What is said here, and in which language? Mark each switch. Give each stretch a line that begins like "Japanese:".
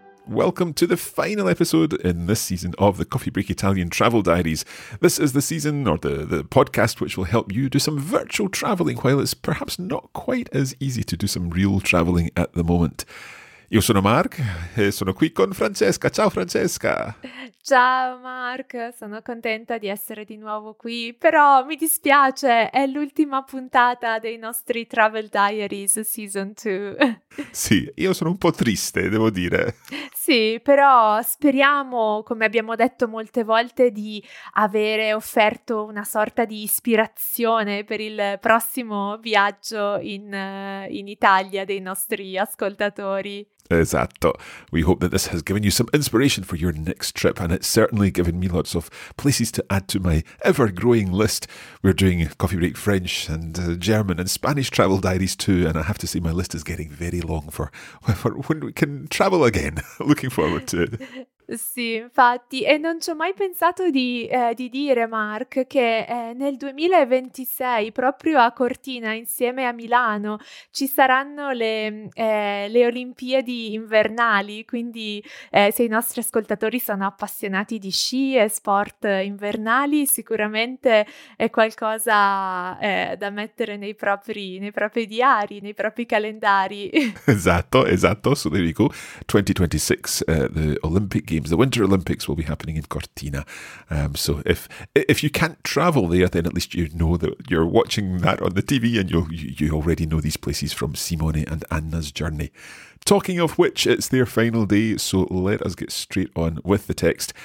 English: Welcome to the final episode in this season of the Coffee Break Italian Travel Diaries. This is the season, or the podcast, which will help you do some virtual travelling while it's perhaps not quite as easy to do some real travelling at the moment.
Italian: Io sono Mark, e sono qui con Francesca. Ciao Francesca! Ciao Mark, sono contenta di essere di nuovo qui, però mi dispiace, è l'ultima puntata dei nostri Travel Diaries Season 2. Sì, io sono un po' triste, devo dire. Sì, però speriamo, come abbiamo detto molte volte, di avere offerto una sorta di ispirazione per il prossimo viaggio in Italia dei nostri ascoltatori. Esatto.
English: We hope that this has given you some inspiration for your next trip, and it's certainly given me lots of places to add to my ever-growing list. We're doing Coffee Break French and German and Spanish travel diaries too, and I have to say my list is getting very long for when we can travel again. Looking forward to it.
Italian: Sì, infatti, e non ci ho mai pensato di dire, Mark, che nel 2026, proprio a Cortina, insieme a Milano, ci saranno le Olimpiadi invernali, quindi se i nostri ascoltatori sono appassionati di sci e sport invernali, sicuramente è qualcosa da mettere nei propri diari, nei propri calendari. Esatto, esatto,
English: so there you go. 2026, the Olympic Games. The Winter Olympics will be happening in Cortina. So if you can't travel there, then at least you know that you're watching that on the TV and you already know these places from Simone and Anna's journey. Talking of which, it's their final day, so let us get straight on with the text.